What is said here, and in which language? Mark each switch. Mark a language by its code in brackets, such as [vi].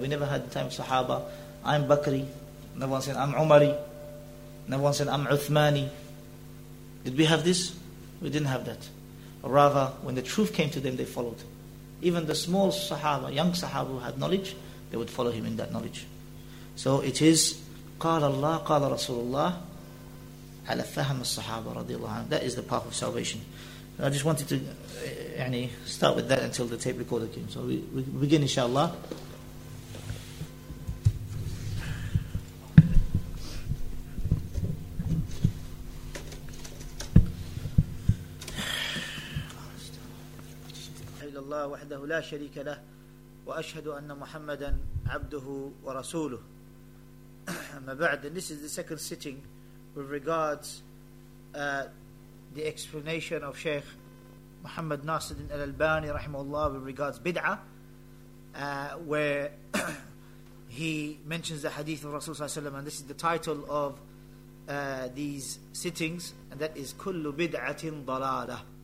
[en] We never had the time of Sahaba. I'm Bakri. No one said I'm Umari. No one said I'm Uthmani. Did we have this? We didn't have that. Rather, when the truth came to them, they followed. Even the small Sahaba, young Sahaba who had knowledge, they would follow him in that knowledge. So it is [ar] قال الله قال رسول الله على فهم الصحابة رضي الله عنهم. [en] That is the path of salvation. I just wanted to start with that until the tape recorder came. So we begin inshallah. [ar] الله وحده لا شريك له وأشهد أن محمدا عبده ورسوله. أما بعد, [en] and this is the second sitting with regards the explanation of Sheikh Muhammad Nasiruddin Al-Albani رحمه الله with regards bid'ah, where he mentions the hadith of Rasul صلى الله عليه وسلم, and this is the title of these sittings, and that is [ar] كل بدعه ضلاله.